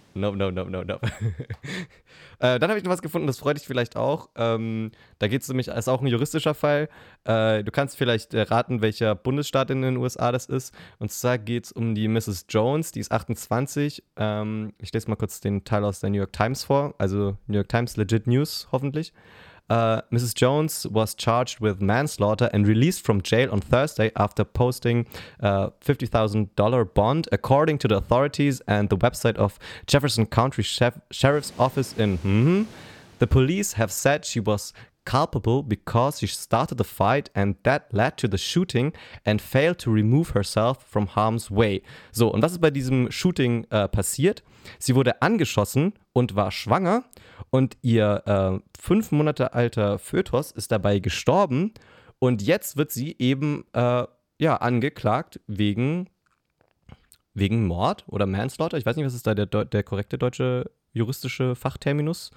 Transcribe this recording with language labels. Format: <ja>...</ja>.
<de>Dann habe ich noch was gefunden, das freut dich vielleicht auch. Da geht es nämlich, ist auch ein juristischer Fall. Du kannst vielleicht raten, welcher Bundesstaat in den USA das ist. Und zwar geht es um die Mrs. Jones, die ist 28. Ich lese mal kurz den Teil aus der New York Times vor. Also New York Times,</de> <en>legit news,</en> <de>hoffentlich. Mrs.</de> <en>Jones was charged with manslaughter and released from jail on Thursday after posting a $50,000 bond, according to the authorities and the website of Jefferson County Sheriff's Office in... The police have said she was culpable because she started the fight and that led to the shooting and failed to remove herself from harm's way.</en> <de>So, und was ist bei diesem Shooting passiert? Sie wurde angeschossen und war schwanger. Und ihr 5 Monate alter Fötus ist dabei gestorben Und jetzt wird sie eben angeklagt wegen Mord oder Manslaughter. Ich weiß nicht, was ist da der korrekte deutsche juristische Fachterminus?</de>